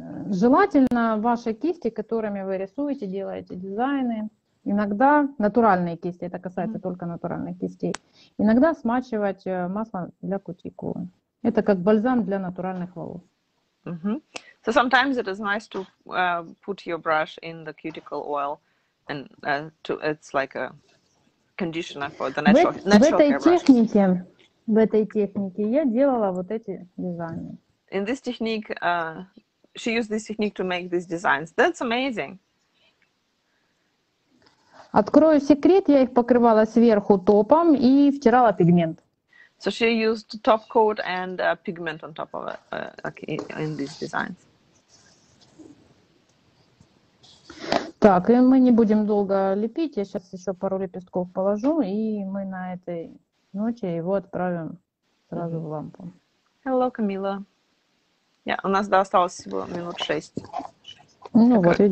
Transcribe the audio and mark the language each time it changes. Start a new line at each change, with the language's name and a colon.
Russian: Желательно ваши кисти, которыми вы рисуете, делаете дизайны, иногда натуральные кисти, это касается только натуральных кистей, иногда смачивать масло для кутикулы. Это как бальзам для натуральных волос.
English: So sometimes it is nice to put your brush in the cuticle oil, and it's like a conditioner for the natural
Russian: В этой технике я делала вот эти дизайны.
English: In this technique, she used this technique to make these designs. That's amazing.
Russian: Открою секрет, я их покрывала сверху топом и втирала пигмент.
English: So she used top coat and pigment on top of it, like in these designs.
Russian: Так, и мы не будем долго лепить. Я сейчас еще пару лепестков положу, и мы на этой ноте его отправим сразу в лампу.
English: Hello, Camila.
Russian: Yeah, у нас до осталось всего минут 6. Ну как, вот, видишь,